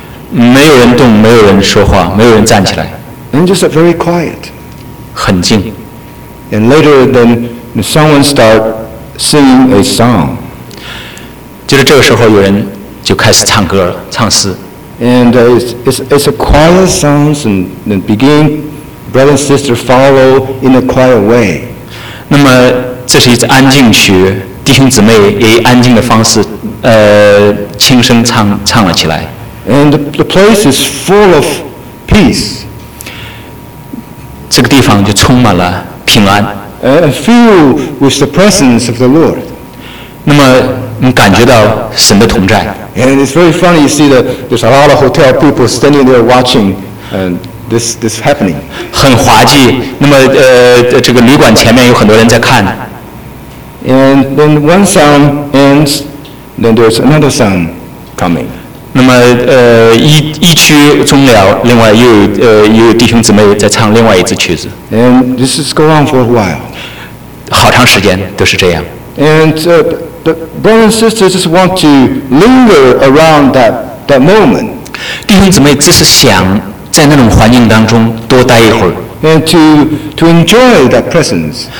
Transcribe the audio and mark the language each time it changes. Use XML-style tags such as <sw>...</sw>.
<zh>没有人动，没有人说话，没有人站起来。</zh> <en>And just very quiet.</en> <zh>很静。</zh> <en>And later then someone started singing a song.</en> <zh>就是这个时候有人就开始唱歌了，唱诗。</zh> <en>And it's a quiet song and then begin. Brother and sister follow in a quiet way.</en> <zh>那么这是一支安静曲，弟兄姊妹以安静的方式，轻声唱了起来。</zh> <en>And the place is full of peace.</en> <zh>这个地方就充满了平安。</zh> <en>And filled with the presence of the Lord.</en> <zh>那么你感觉到神的同在。</zh> <en>And it's very funny, you see that there's a lot of hotel people standing there watching and. This happening.</en> <zh>很滑稽。那么这个旅馆前面有很多人在看。</zh> <en>And then one sound ends, then there's another sound coming.</en> <zh>那么一曲终了，另外又有弟兄姊妹在唱另外一支曲子。</zh> <en>And this is go on for a while.</en> <zh>好长时间都是这样。</zh> <en>And the brothers and sisters just want to linger around that moment.</en> <zh>弟兄姊妹只是想在那种环境当中多待一会儿。</zh> <en>And to enjoy that presence.</en>